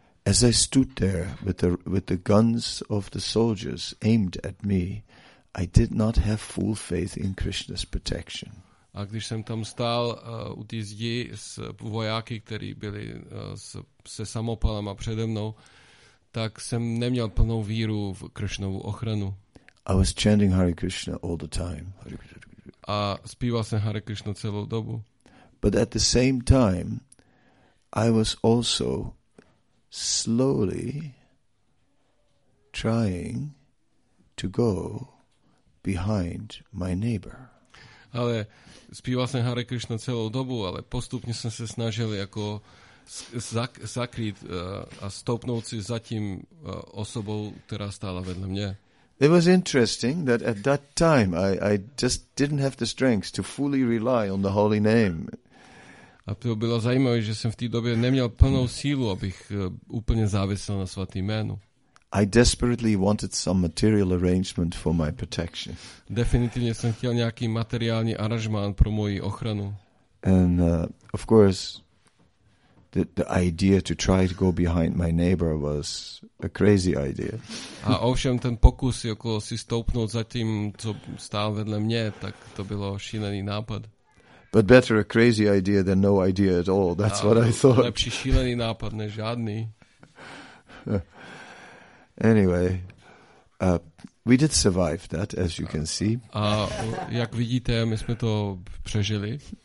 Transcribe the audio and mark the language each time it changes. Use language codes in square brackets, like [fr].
[en] As I stood there with the guns of the soldiers aimed at me, I did not have full faith in Krishna's protection. [cs] A když jsem tam stál u té zdi s vojáky, kteří byli se samopalama přede mnou, tak jsem neměl plnou víru v Krishnovu ochranu. [en] I was chanting Hare Krishna all the time. [cs] A zpíval jsem Hare Krishna celou dobu. [en] But at the same time, I was also slowly trying to go behind my neighbor. [cs] Ale zpíval jsem Hare Krishna celou dobu, ale postupně jsem se snažil jako zakrýt a stoupnout si za tím osobou, která stála vedle mě. [en] It was interesting that at that time I just didn't have the strength to fully rely on the holy name. [cs] A to bylo zajímavé, že jsem v té době neměl plnou sílu, abych úplně závisel na svatém jménu. [en] I desperately wanted some material arrangement for my protection. [cs] Definitivně jsem chtěl nějaký materiální aranžmán pro moji ochranu. [en] And of course the idea to try to go behind my neighbor was a crazy idea. [cs] A ovšem ten pokus jako si stoupnout za tím, co stál vedle mě, tak to bylo šílený nápad. [en] But better a crazy idea than no idea at all. That's what I thought. [cs] Lepší šílený nápad než žádný. [en] Anyway, we did survive that, as you can see. [cs] A jak vidíte, my jsme to přežili.